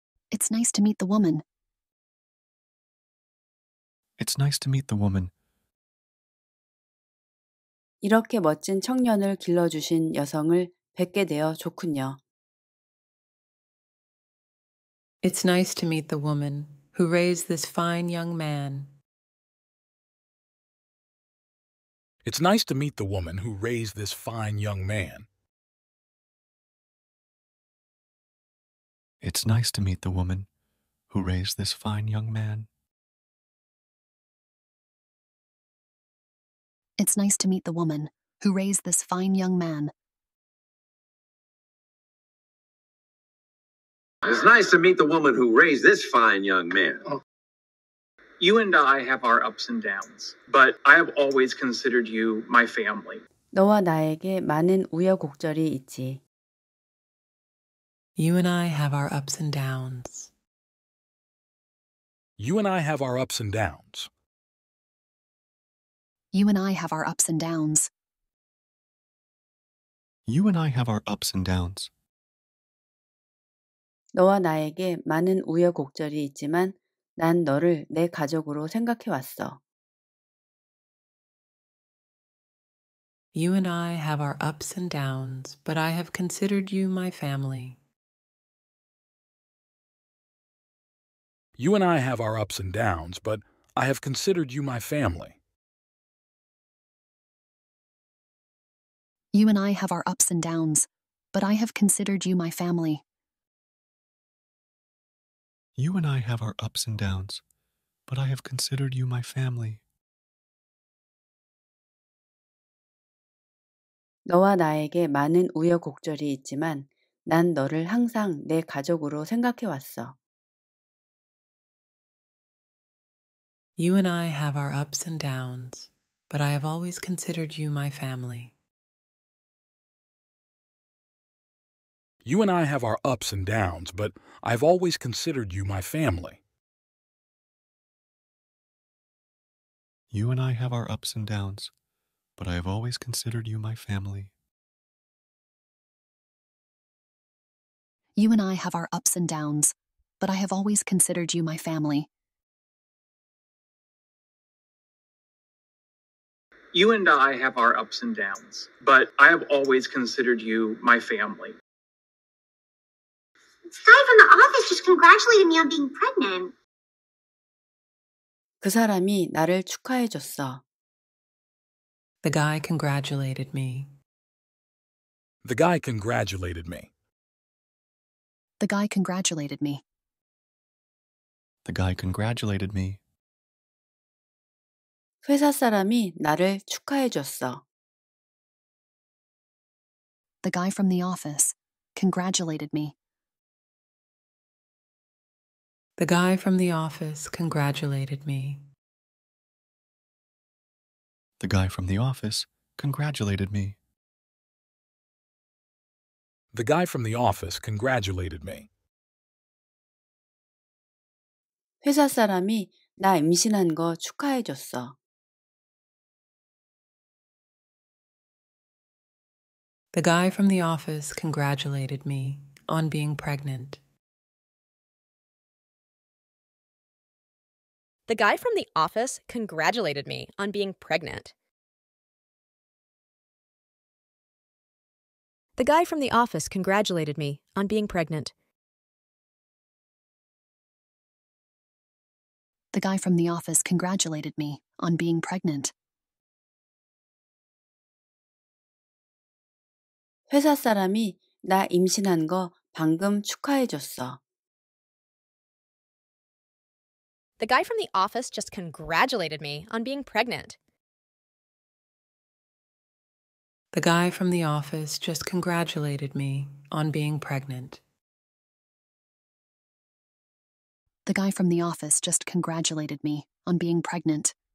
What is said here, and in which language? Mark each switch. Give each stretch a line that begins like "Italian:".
English: It's nice to meet the woman. It's nice to meet the woman.
Korean: 이렇게 멋진 청년을 길러주신 여성을 뵙게 되어 좋군요.
English: It's nice to meet the woman who raised this fine young man. It's nice to meet the woman who raised this fine young man. It's nice to meet the woman who raised this fine young man. It's nice to meet the woman who raised this fine young man. It's nice to meet the woman who raised this fine young man. You and I have our ups and downs, but I have always considered you my family.
Korean: 너와 나에게 많은 우여곡절이 있지.
English: You and I have our ups and downs. You and I have our ups and downs. You and I have our ups and downs. You and I have our ups and downs.
Korean: 너와 나에게 많은 우여곡절이 있지만 난 너를 내 가족으로 생각해 왔어.
English: You and I have our ups and downs, but I have considered you my family. You and I have our ups and downs, but I have considered you my family. You and I have our ups and downs, but I have considered you my family. You and I have our ups and downs, but I have considered you my family.
Korean: 너와 나에게 많은 우여곡절이 있지만 난 너를 항상 내 가족으로 생각해 왔어.
English: You and I have our ups and downs, but I have always considered you my family. You and I have our ups and downs, but I've always considered you my family. You and I have our ups and downs, but I have always considered you my family. You and I have our ups and downs, but I have always considered you my family. You and I have our ups and downs, but I have always considered you my family. The guy from the office just congratulated me on being pregnant.
Korean: 그 사람이 나를 축하해 줬어.
English: The guy congratulated me. The guy congratulated me. The guy congratulated me. The guy congratulated me.
Korean: 회사 사람이 나를 축하해 줬어.
English: The guy from the office congratulated me. The guy from the office congratulated me. The guy from the office congratulated me. The guy from the office congratulated me.
Korean: 회사 사람이 나 임신한 거 축하해 줬어.
English: The guy from the office congratulated me on being pregnant. The guy from the office congratulated me on being pregnant. The guy from the office congratulated me on being pregnant. The guy from the office congratulated me on being pregnant.
Korean: 회사 사람이 나 임신한 거 방금 축하해 줬어.
English: The guy from the office just congratulated me on being pregnant. The guy from the office just congratulated me on being pregnant. The guy from the office just congratulated me on being pregnant.